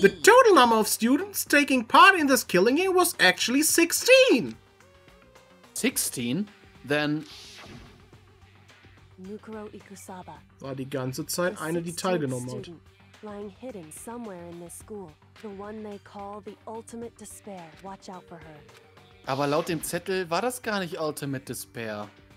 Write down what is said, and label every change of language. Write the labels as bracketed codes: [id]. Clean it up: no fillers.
[en] The total number of students taking part in this killing game was actually 16. 16? Then... [de] Mukuro Ikusaba war die ganze Zeit eine, die teilgenommen hat. [en] Lying hidden somewhere in this school, the one they call the ultimate despair. Watch out for her. [de] Aber laut dem Zettel war das gar nicht [en] ultimate despair.